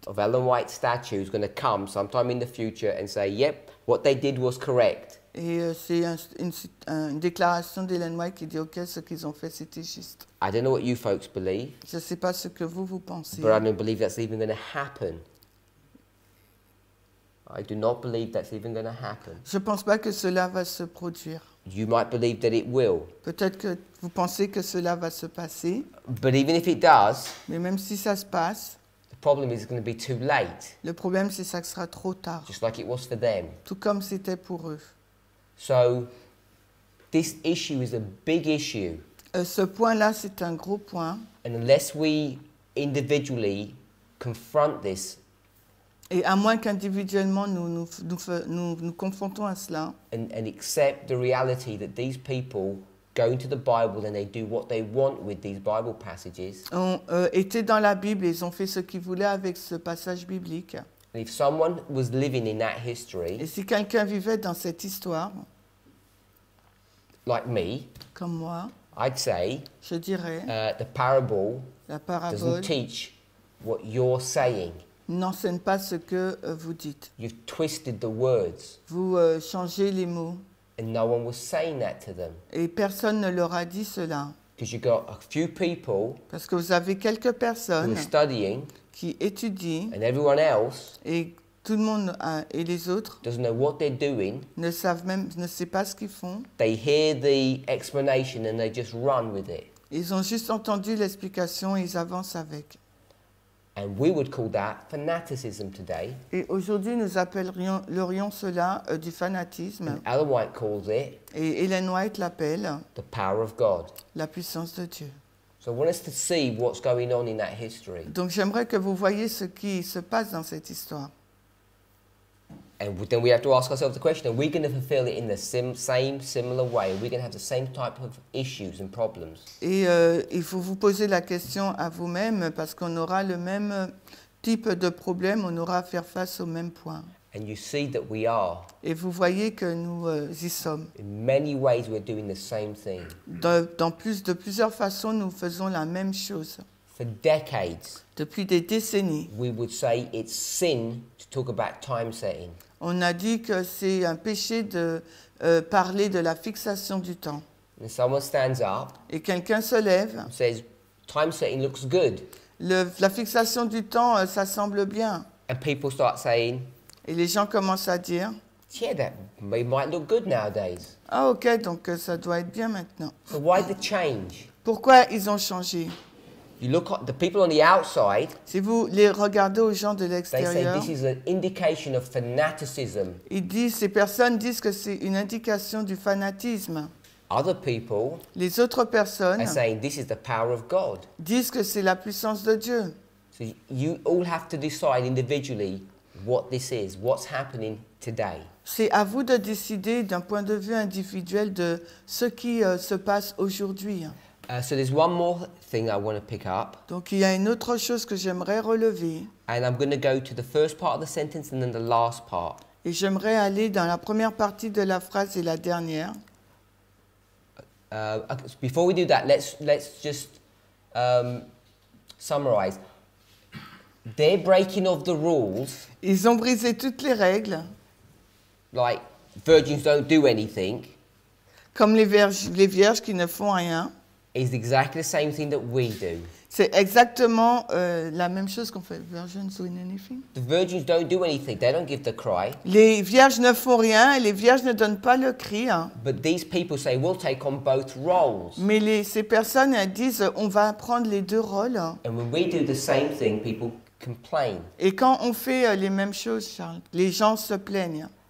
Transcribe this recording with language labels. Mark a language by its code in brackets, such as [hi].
[en] Of Ellen White's statue is going to come sometime in the future and say, yep, what they did was correct. [fr] Et c'est une déclaration d'Ellen White qui dit OK, ce qu'ils ont fait, c'était juste. [en] I don't know what you folks believe. [fr] Je ne sais pas ce que vous pensez. [en] But I don't believe that's even going to happen. I do not believe that's even going to happen. [fr] Je ne pense pas que cela va se produire. [en] You might believe that it will. [fr] Peut-être que vous pensez que cela va se passer. [en] But even if it does. [fr] Mais même si ça se passe. [en] The problem is it's going to be too late. [fr] Le problème c'est ça sera trop tard. [en] Just like it was for them. [fr] Tout comme c'était pour eux. [en] So this issue is a big issue. [fr] Ce point là c'est un gros point. [en] And unless we individually confront this. [fr] Et à moins qu'individuellement nous confrontons à cela. [en] And accept the reality that these people go into the Bible and they do what they want with these Bible passages. [fr] Étaient dans la Bible, ils ont fait ce qu'ils voulaient avec ce passage biblique. [en] And if someone was living in that history, [fr] et si quelqu'un vivait dans cette histoire, [en] like me, [fr] comme moi, [en] I'd say, [fr] je dirais, [en] the parable, [fr] la parabole, [en] doesn't teach what you're saying. [fr] N'enseigne pas ce que vous dites. [en] You've twisted the words. [fr] Vous changez les mots. [en] And no one was saying that to them. [fr] Et personne ne leur a dit cela. [en] Because you got a few people. [fr] Parce que vous avez quelques personnes. [en] Who are studying. [fr] Qui étudient. [en] And everyone else. [fr] Et tout le monde et les autres. [en] Doesn't know what they're doing. [fr] Ne savent même ne sait pas ce qu'ils font. [en] They hear the explanation and they just run with it. [fr] Ils ont juste entendu l'explication et ils avancent avec. [en] And we would call that fanaticism today. [fr] Et aujourd'hui, nous appellerions cela du fanatisme. [en] And Ellen White calls it. [fr] Et Ellen White l'appelle. [en] The power of God. [fr] La puissance de Dieu. [en] So I want us to see what's going on in that history. [fr] Donc j'aimerais que vous voyez ce qui se passe dans cette histoire. [en] And then we have to ask ourselves the question: are we going to fulfill it in the same similar way? Are we going to have the same type of issues and problems? [fr] Et il faut vous poser la question à vous-même parce qu'on aura le même type de problème, on aura à faire face au même point. [en] And you see that we are. [fr] Et vous voyez que nous y sommes. [en] In many ways, we're doing the same thing. [fr] De plusieurs façons, nous faisons la même chose. [en] For decades. [fr] Depuis des décennies. [en] We would say it's sin to talk about time setting. [fr] On a dit que c'est un péché de parler de la fixation du temps. [en] And someone stands up. [fr] Et quelqu'un se lève. [en] Says time setting looks good. [fr] La fixation du temps ça semble bien. [en] And people start saying. [fr] Et les gens commencent à dire. [en] Yeah, that might look good nowadays. [fr] Ah ok, donc ça doit être bien maintenant. [en] So why the change? [fr] Pourquoi ils ont changé? [en] You look at the people on the outside. [fr] Si vous les regardez aux gens de l'extérieur, [en] they say this is an indication of fanaticism. [fr] Ils disent, ces personnes disent que c'est une indication du fanatisme. [en] Other people, [fr] les autres personnes, [en] are saying this is the power of God. [fr] Disent que c'est la puissance de Dieu. [en] So you all have to decide individually what this is, what's happening today. [fr] C'est à vous de décider d'un point de vue individuel de ce qui se passe aujourd'hui. [en] So there's one more thing I want to pick up. [fr] Donc il y a une autre chose que j'aimerais relever. [en] And I'm going to go to the first part of the sentence and then the last part. [fr] Et j'aimerais aller dans la première partie de la phrase et la dernière. [en] Before we do that, let's just summarize. Their breaking of the rules. [fr] Ils ont brisé toutes les règles. [en] Like virgins don't do anything. [fr] Comme les vierges qui ne font rien. [en] Is exactly the same thing that we do. [fr] C'est exactement la même chose qu'on fait. [en] Virgins doing anything? The virgins don't do anything. They don't give the cry. [fr] Les vierges ne font rien. Les vierges ne donnent pas le cri. [en] But these people say we'll take on both roles. [fr] Mais ces personnes elles disent on va prendre les deux rôles. [en] And when we do the same thing, people complain. [fr] Et quand on fait les mêmes choses, Charles, les gens se plaignent.